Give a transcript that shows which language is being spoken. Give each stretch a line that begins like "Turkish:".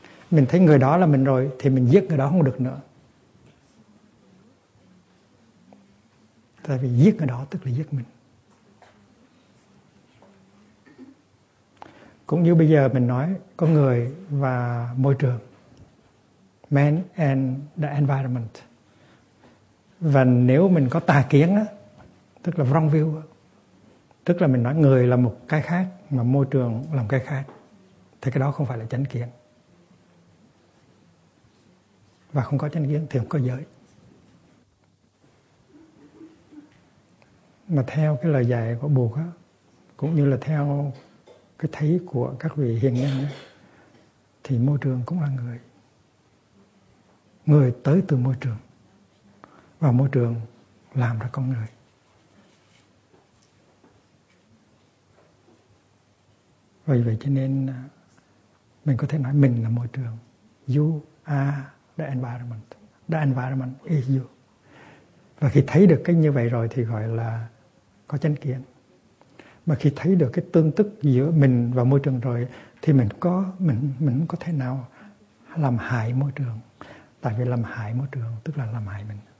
Vietnamese: Mình thấy người đó là mình rồi thì mình giết người đó không được nữa. Tại vì giết người đó tức là giết mình. Cũng như bây giờ mình nói có người và môi trường.
English: Man and the environment.
Vietnamese: Và nếu mình có tà kiến á, tức là
English: wrong view
Vietnamese: á, tức là mình nói người là một cái khác mà môi trường là một cái khác, thì cái đó không phải là chánh kiến. Và không có chánh kiến thì không có giới. Mà theo cái lời dạy của Bụt á, cũng như là theo cái thấy của các vị hiền nhân á, thì môi trường cũng là người. Người tới từ môi trường. Và môi trường làm ra con người. Vậy vậy cho nên mình có thể nói mình là môi trường.
English: You are the environment. The environment is you.
Vietnamese: Và khi thấy được cái như vậy rồi thì gọi là có chánh kiến. Mà khi thấy được cái tương tức giữa mình và môi trường rồi thì mình có thể nào làm hại môi trường. Tại vì làm hại môi trường tức là làm hại mình.